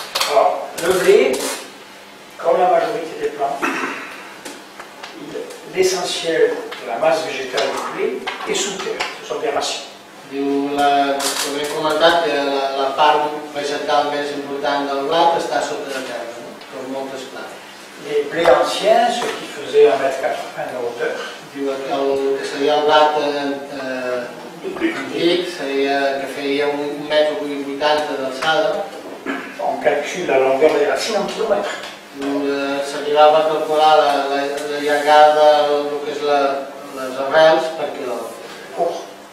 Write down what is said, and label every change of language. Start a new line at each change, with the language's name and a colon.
French: Alors, le blé, comme la majorité des plantes, l'essentiel de la masse végétale du blé est sous terre, ce sont des racines.
Catalan: Diu, com he comentat, que la part vegetal més important del blat està sota la terra, com moltes plantes.
French: Les blés anciens, ce qui faisait 1,80 m de hauteur.
Catalan: Diu, el que seria el blat antic, que feia 1,80 m d'alçada.
French: On calcula la longueur de la racine en quilòmetres.
Catalan: S'arribava a calcular la llargada de les arrels per quilòmetres.